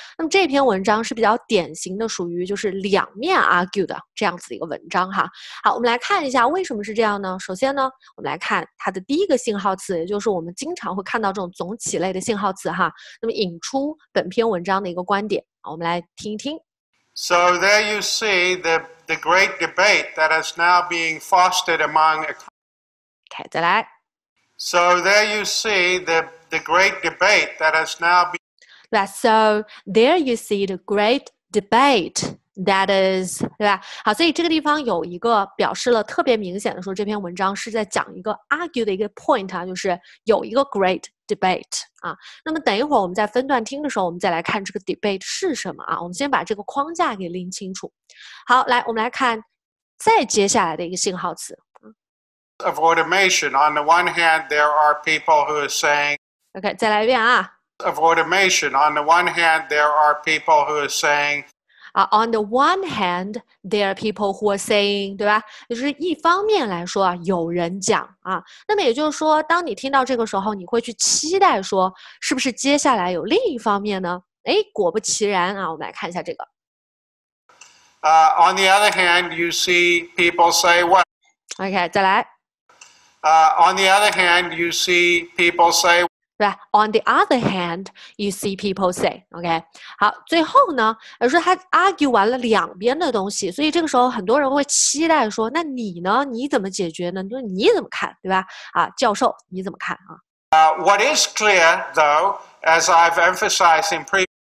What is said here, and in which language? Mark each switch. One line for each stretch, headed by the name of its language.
Chinese: 那么这篇文章是比较典型的，属于就是两面 argue 的这样子一个文章哈。好，我们来看一下为什么是这样呢？首先呢，我们来看它的第一个信号词，也就是我们经常会看到这种总体类的信号词哈。那么引出本篇文章的一个观点，我们来听一听。
English: So there you see the great debate that is now being fostered among.
Chinese: Okay, 再来。
English: So there you see the great debate that has now been. Right, so there you see the great debate that is.
Chinese: 对吧？好，所以这个地方有一个表示了特别明显的说，这篇文章是在讲一个 argue 的一个 point 啊，就是有一个 great debate 啊。那么等一会儿我们在分段听的时候，我们再来看这个 debate 是什么啊。我们先把这个框架给拎清楚。好，来，我们来看再接下来的一个信号词。
English: Of automation. On the one hand, there are people who are saying.
Chinese: Okay, 再来一遍啊。
English: Of automation. On the one hand, there are people who are saying. On the one hand, there are people who are saying,
Chinese: 对吧？就是一方面来说啊，有人讲啊。那么也就是说，当你听到这个时候，你会去期待说，是不是接下来有另一方面呢？哎，果不其然啊，我们来看一下这个。
English: On the other hand, you see people say what?
Chinese: Okay, 再来。
English: On the other hand, you see people say. Right. On the other hand, you see people say. Okay.
Chinese: 好，最后呢，而是他 argue 完了两边的东西，所以这个时候很多人会期待说，那你呢？你怎么解决呢？就你怎么看，对吧？啊，教授，你怎么看啊？
English: What is clear, though, as I've emphasized in previous.